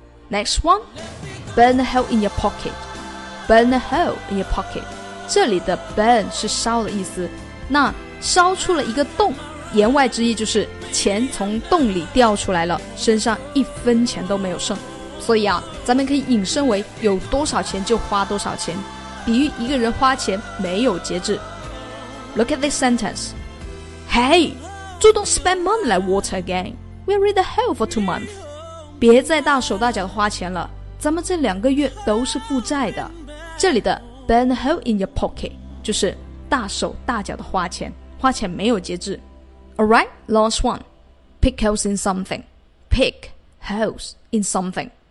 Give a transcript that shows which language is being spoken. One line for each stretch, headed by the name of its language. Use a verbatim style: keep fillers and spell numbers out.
English: Next one, burn a hole in your pocket. Burn a hole in your pocket.
Chinese: 这里的 burn 是烧的意思，那烧出了一个洞，言外之意就是钱从洞里掉出来了，身上一分钱都没有剩。所以啊，咱们可以引申为有多少钱就花多少钱，比喻一个人花钱没有节制。
English: Look at this sentence. Hey, you don't spend money like water again. We'll read the hell for two months.
Chinese: 别再大手大脚的花钱了，咱们这两个月都是负债的。这里的
English: burn a hole in your pocket
Chinese: 就是大手大脚的花钱，花钱没有节制。
English: Alright, last one. Pick holes in something. Pick holes in something.